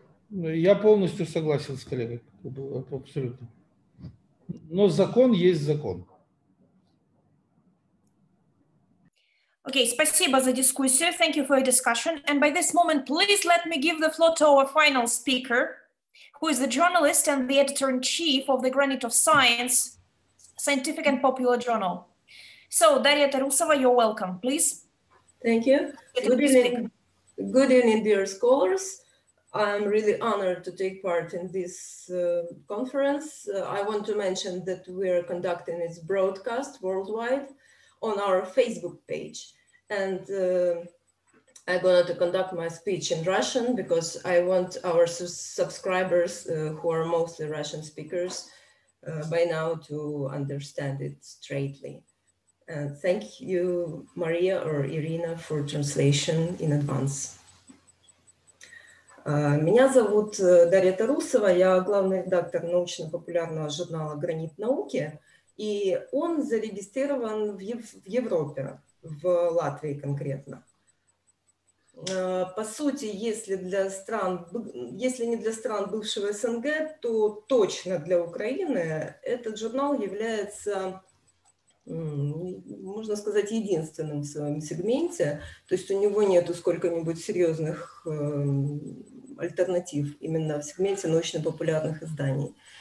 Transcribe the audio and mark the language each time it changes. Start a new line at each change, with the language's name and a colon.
Russian: Я полностью согласен с коллегой, абсолютно. Но закон есть закон. Okay, спасибо за дискуссию.
English: Thank you for your discussion. And by this moment, please let me give the floor to our final speaker, who is the journalist and the editor-in-chief of the Granite of Science, Scientific and Popular Journal. So, Daria Tarusova, you're welcome, please. Thank you. Good evening, dear scholars. I'm really honored to take part in this conference. I want to mention that we are conducting its broadcast worldwide on our Facebook page. And I'm going to conduct my speech in Russian because I want our subscribers who are mostly Russian speakers by now to understand it straightly. And thank you, Maria or Irina, for translation in advance.
Russian: Меня зовут Дарья Тарусова, я главный редактор научно-популярного журнала «Гранит науки», и он зарегистрирован в Европе, в Латвии конкретно. По сути, если не для стран бывшего СНГ, то точно для Украины этот журнал является, можно сказать, единственным в своем сегменте, то есть у него нету сколько-нибудь серьезных альтернатив именно в сегменте научно-популярных изданий.